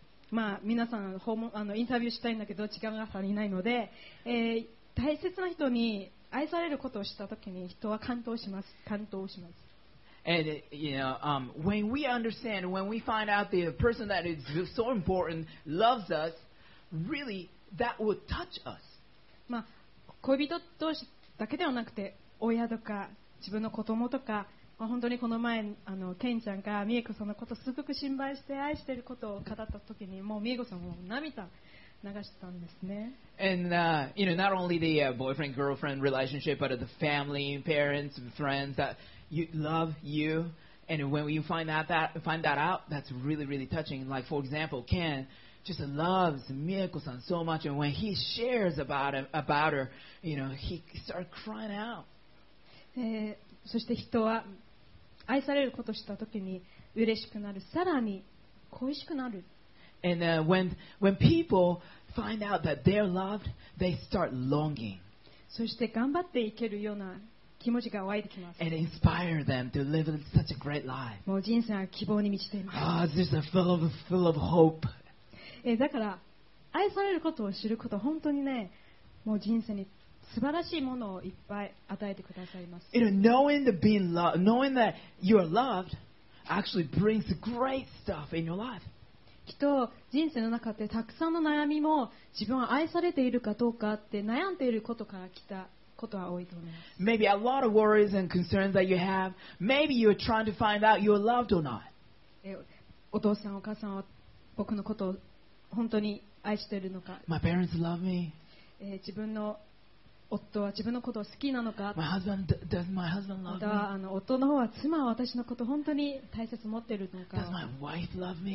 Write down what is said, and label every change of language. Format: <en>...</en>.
<ja>まあ、皆さん訪問インタビューしたいんだけど時間が足りないので、大切な人に愛されることをしたときに人は感動します。感動します。</ja> <en>And you know, when we understand, when we find out the person that is so important loves us, really that would touch us.</en> <ja>まあ、恋人同士だけではなくて親とか自分の子供とか。本当にこの前ケンちゃんがミエコさんのことをすごく心配して愛していることを語った時にもうミエコさんも涙流してたんですね。</ja> <en>And you know, not only the boyfriend girlfriend relationship but the family, parents, friends that you love you And when you find that out, that's really, really touching. Like, for example, Ken just loves Mieko-san so much, and when he shares about her, you know, he starts crying out.</en> <ja>そして人は愛されることをしたときに嬉しくなる、さらに恋しくなる。</ja> <en>And when people find out that they're loved, they start longing.</en> <ja>そして頑張っていけるような気持ちが湧いてきます。</ja> <en>And inspire them to live such a great life.</en> <ja>もう人生は希望に満ちています。</ja> <en>Ah, this is full of hope.</en> <ja>だから愛されることを知ること、本当にね、もう人生に素晴らしいものをいっぱい与えてくださいます。</ja> <en>You know, knowing that being loved, knowing that you are loved, actually brings great stuff in your life.</en> <ja>人人生の中でたくさんの悩みも自分は愛されているかどうかって悩んでいることから来たことは多いと思います。</ja> <en>Maybe a lot of worries and concerns that you have. Maybe you're trying to find out you're loved or not.</en> <ja>お父さんお母さんは僕のことを本当に愛しているのか。</ja> <en>My parents love me.</en> <ja>自分の夫は自分のことを好きなのか。</ja> <en>My husband, does my husband love me?</en> <ja>また、夫の方は妻は私のことを本当に大切持っているのか。</ja> <en>Does my wife love me?</en>